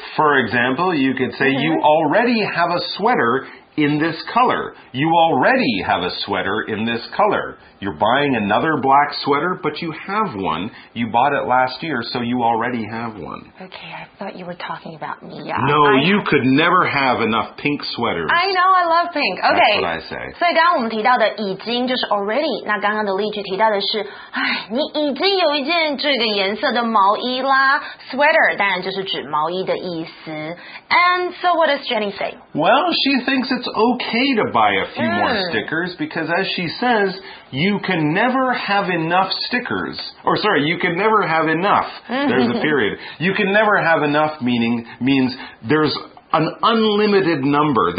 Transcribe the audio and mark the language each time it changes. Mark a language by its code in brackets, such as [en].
[en] For example, you could say you already have a sweater in this color. You already have a sweater in this color. You're buying another black sweater, but you have one. You bought it last year, so you already have one. Okay, I thought you were talking about me. No, you could never have enough pink sweaters. I know, I love pink. Okay. That's what I say. [zh] 所以刚刚我们提到的已经就是 already, 那刚刚的例句提到的是你已经有一件这个颜色的毛衣啦。 Sweater 当然就是指毛衣的意思。 [en] And so what does Jenny say? Well, she thinks it's okay to buy a few more stickers because as she says, you can never have enough stickers. Or sorry, you can never have enough. There's a period. You can never have enough means there's an unlimited number.